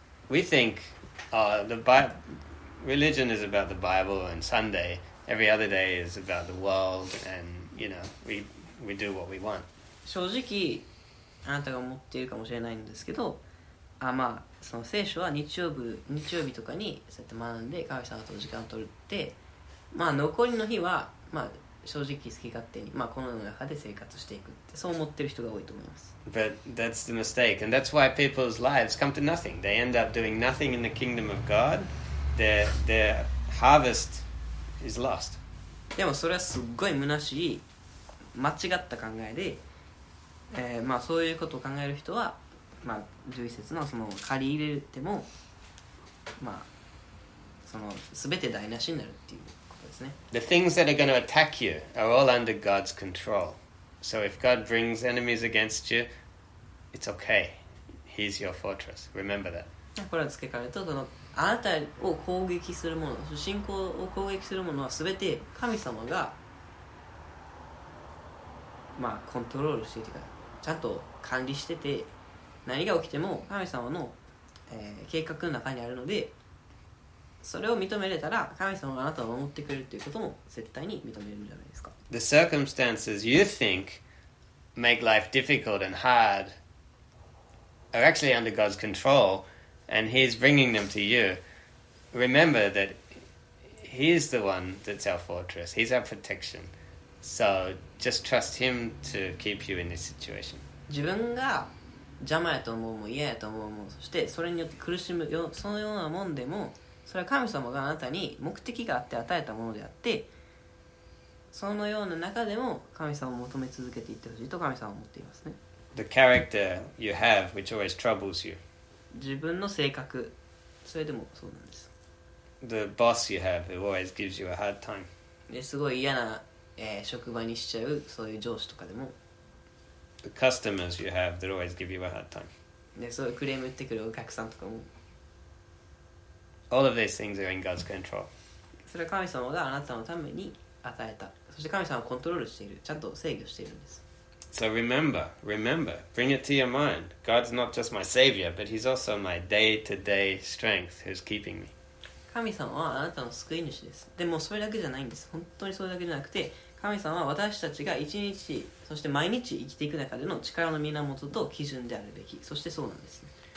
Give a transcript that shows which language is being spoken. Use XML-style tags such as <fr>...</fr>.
<en>We think, the Bible, religion is about the Bible and Sunday. Every other day is about the world and, you know, we do what we want.</en> <ja>正直、あなたが思っているかもしれないんですけど、あ、まあ、その聖書は日曜日とかにそうやって学んで、神様と時間を取るって、まあ、残りの日は、まあ、正直好き勝手に、まあ、この世の中で生活していくって、そう思ってる人が多いと思います。</ja> <en>But that's the mistake, and that's why people's lives come to nothing. They end up doing nothing in the kingdom of God. Their harvest is lost.</en> <ja>でもそれはすっごい虚しい、間違った考えで、まあそういうことを考える人は、まあ11節のその借り入れても、まあその全て台無しになるっていう。</ja> <en>The things that are going to attack you are all under God's control. So if God brings enemies against you, it's okay. He's your fortress. Remember that.</en> <ja>これは付け替えると、そのあなたを攻撃するもの、信仰を攻撃するものは全て神様が、まあ、コントロールしていて、ちゃんと管理してて、何が起きても神様の、計画の中にあるので、それを認めれたら神様があなたを守ってくれるということも絶対に認めるんじゃないですか。</ja> <en>The circumstances you think make life difficult and hard are actually under God's control and He's bringing them to you. Remember that He's the one that's our fortress. He's our protection. So just trust Him to keep you in this situation.</en> <ja>自分が邪魔やと思うも嫌やと思うも、そしてそれによって苦しむよ、そのようなもんでも、それは神様があなたに目的があって与えたものであって、そのような中でも神様を求め続けていってほしいと神様は思っていますね。</ja> <en>The character you have, which always troubles you.</en> <ja>自分の性格、それでもそうなんです。</ja> <en>The boss you have, who always gives you a hard time.</en> <ja>ですごい嫌な、職場にしちゃう、そういう上司とかでも。</ja> <en>The customers you have, that always give you a hard time.</en> <ja>で、そういうクレーム言ってくるお客さんとかも。</ja> <en>All of these things are in God's control.</en> <ja>それは神様があなたのために与えた。そして神様はコントロールしている。ちゃんと制御しているんです。</ja> <en>So remember, bring it to your mind. God's not just my savior, but he's also my day-to-day strength who's keeping me.</en> <ja>神様はあなたの救い主です。でもそれだけじゃないんです。本当にそれだけじゃなくて、神様は私たちが一日、そして毎日生きていく中での力の源と基準であるべき。そしてそうなんです、ね。</ja>